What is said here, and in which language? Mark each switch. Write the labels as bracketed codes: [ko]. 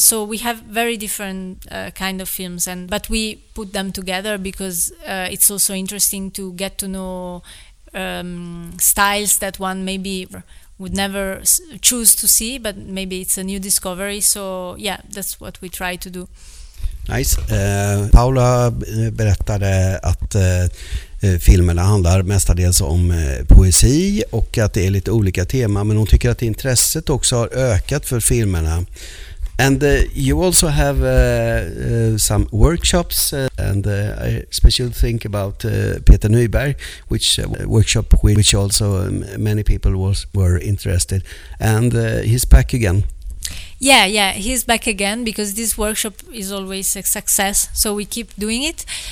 [en] So we have very different kind of films, but we put them together because it's also interesting to get to know styles that one maybe would never choose to see, but maybe it's a new discovery. So yeah, that's what we try to do. Nice. [sv] Paula berättade att filmerna handlar mestadels om poesi och att det är lite olika tema, men hon tycker att intresset också har ökat för filmerna. [en] And you also have some workshops, and I especially think about Peter Nyberg, which workshop which also many people were interested. And he's back again. Yeah, he's back again because this workshop is always a success, so we keep doing it.